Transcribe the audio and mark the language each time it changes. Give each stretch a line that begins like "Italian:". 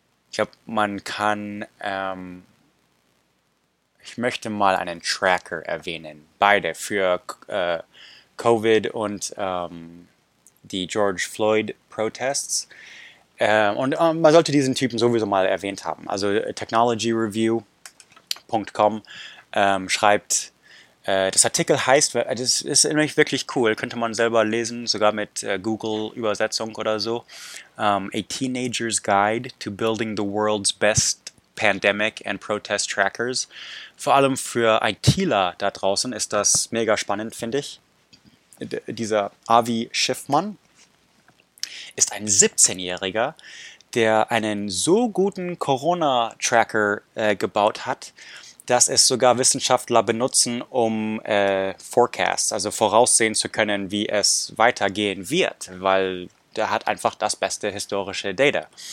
German: Ich glaube, man kann, ich möchte mal einen Tracker erwähnen, beide für Covid und die George Floyd Protests. Man sollte diesen Typen sowieso mal erwähnt haben. Also technologyreview.com schreibt, das Artikel heißt, das ist nämlich wirklich cool, könnte man selber lesen, sogar mit Google-Übersetzung oder so.
English: A Teenager's Guide to Building the World's Best Pandemic and Protest Trackers.
German: Vor allem für ITler da draußen ist das mega spannend, finde ich. Dieser Avi Schiffmann ist ein 17-Jähriger, der einen so guten Corona-Tracker gebaut hat, dass es sogar Wissenschaftler benutzen, um Forecasts, also voraussehen zu können, wie es weitergehen wird, weil der hat einfach das beste historische Data.